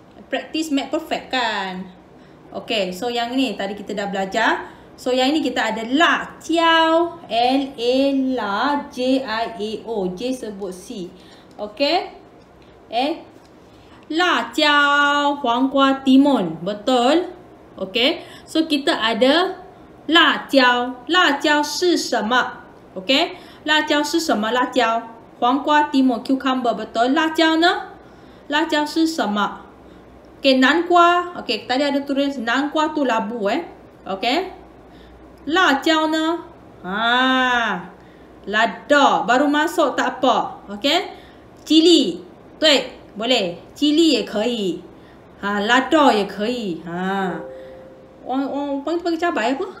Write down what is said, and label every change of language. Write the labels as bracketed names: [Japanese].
[English] Practice make perfect [Malay] kan? Okay, so yang ni tadi kita dah belajar. So, yang ni kita ada la jiao. L-A la J-I-A-O. J sebut C. Okay? Eh? [Chinese] La jiao, 黄瓜 timun. [Malay] Betul? Okay? [Chinese] So, kita ada 辣椒，辣椒是什么 ？OK， 辣椒是什么？辣椒，黄瓜 ，timun， cucumber， 不对，辣椒呢？辣椒是什么？ [Malay] 给、okay, 南瓜 ，OK， tadi ada tulis 南瓜 tu labu eh， OK， [Chinese] 辣椒呢？啊 ， [Malay] lada， baru masuk tak apa， [Chinese] OK， cili， 对， boleh， cili 也可以，啊 ，lada 也可以，啊，我帮你帮你加白不？